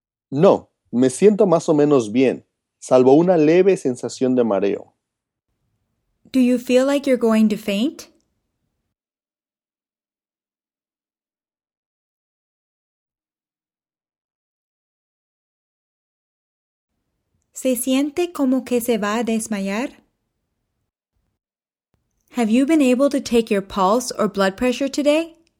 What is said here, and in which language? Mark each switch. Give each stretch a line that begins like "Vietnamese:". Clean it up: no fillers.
Spanish: No, me siento más o menos bien, salvo una leve sensación de mareo.
English: Do you feel like you're going to faint?
Spanish: ¿Se siente como que se va a desmayar?
English: Have you been able to take your pulse or blood pressure today?